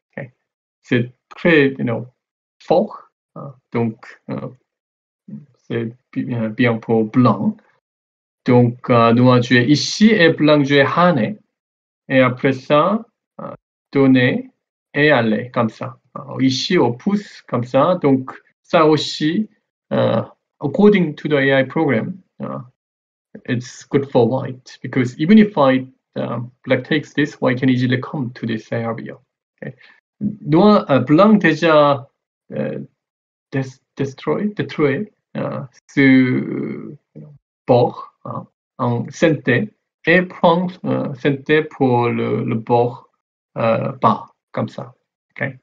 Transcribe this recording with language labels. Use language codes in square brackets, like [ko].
[fr] Okay. C'est très fort. Hein. Donc, c'est bien pour blanc. Donc, noir jouer ici et blanc jouer Hane. Et après ça, donner et aller comme ça. Ici, on pousse comme ça. Donc, ça aussi, [en] according to the AI program, it's good for white. Because even if black takes this, white can easily come to this area. Okay. [fr] Noir, blanc déjà détruit ce bord hein, en santé. Et prendre santé pour le bord bas, comme ça. Okay?